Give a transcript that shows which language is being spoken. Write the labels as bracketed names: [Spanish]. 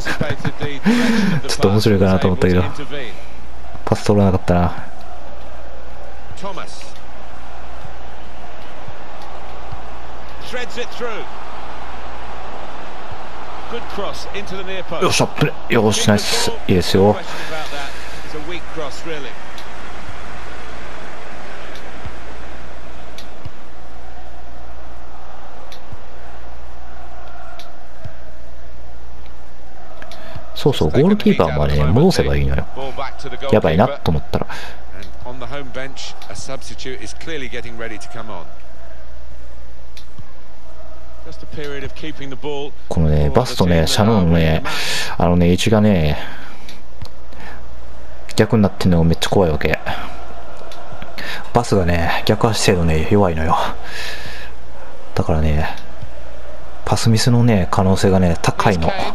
[Japanese] ちょっと面白いかなと思ったけど、パス取らなかったな。 [English] Thomas threads it through. Good cross into the near post. [Japanese] よっしゃ、よし、ナイス、いいですよ。 [English] It's a weak cross, really. [Japanese] そうそう、ゴールキーパーまで、ね、戻せばいいのよ。やばいなと思ったら。 [English] On the home bench, a substitute is clearly getting ready to come on. Just a period of keeping the ball. [Japanese] このね、バスとね、シャノンのね、あのね、位置がね、逆になってんのがめっちゃ怖いわけ。バスがね、逆足精度ね、弱いのよ。だからね、パスミスのね、可能性がね、高いの。